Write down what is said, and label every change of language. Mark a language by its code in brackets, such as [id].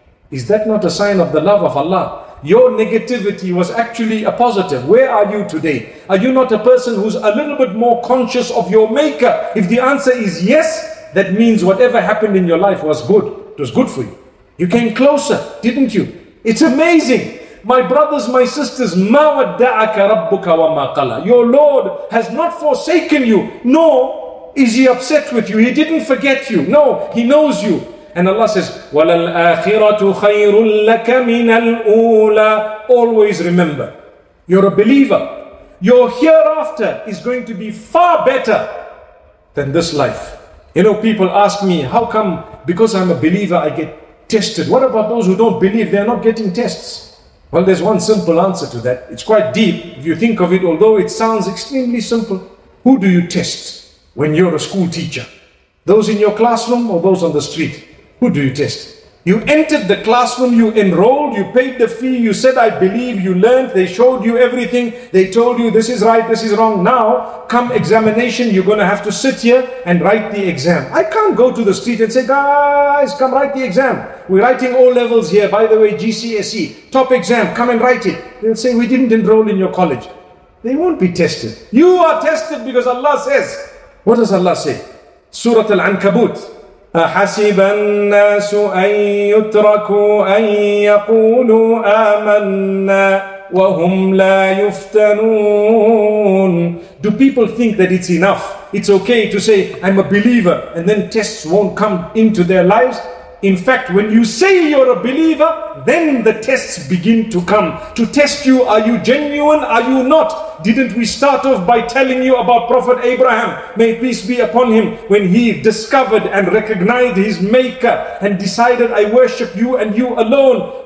[en] Is that not a sign of the love of Allah? Your negativity was actually a positive. Where are you today? Are you not a person who's a little bit more conscious of your maker? If the answer is yes, that means whatever happened in your life was good. It was good for you. You came closer, didn't you? It's amazing. My brothers, my sisters, [ar] مَا وَدَّعَكَ رَبُّكَ وَمَا قَلَى. [en] Your Lord has not forsaken you, nor is He upset with you. He didn't forget you. No, He knows you. And Allah says, [ar] وَلَلْآخِرَةُ خَيْرٌ لَكَ مِنَ الْأُولَى. [en] Always remember, you're a believer. Your hereafter is going to be far better than this life. You know, people ask me, how come because I'm a believer, I get tested? What about those who don't believe? They're not getting tests. Well, there's one simple answer to that. It's quite deep. If you think of it, although it sounds extremely simple, who do you test when you're a school teacher? Those in your classroom or those on the street? Who do you test? You entered the classroom, you enrolled, you paid the fee, you said, I believe, you learned, they showed you everything, they told you this is right, this is wrong. Now, come examination, you're going to have to sit here and write the exam. I can't go to the street and say, guys, come write the exam. We're writing all levels here, by the way, GCSE, top exam, come and write it. They'll say, we didn't enroll in your college. They won't be tested. You are tested because Allah says. What does Allah say? Surah Al-Ankabut. [ar] أحسب الناس أن يتركوا أن يقولوا آمنا وهم لا يفتنون. [en] Do people think that it's enough? It's okay to say, I'm a believer, and then tests won't come into their lives? In fact, when you say you're a believer, then the tests begin to come. To test you, are you genuine? Are you not? Didn't we start off by telling you about Prophet Abraham, may peace be upon him, when he discovered and recognized his maker and decided, I worship you and you alone.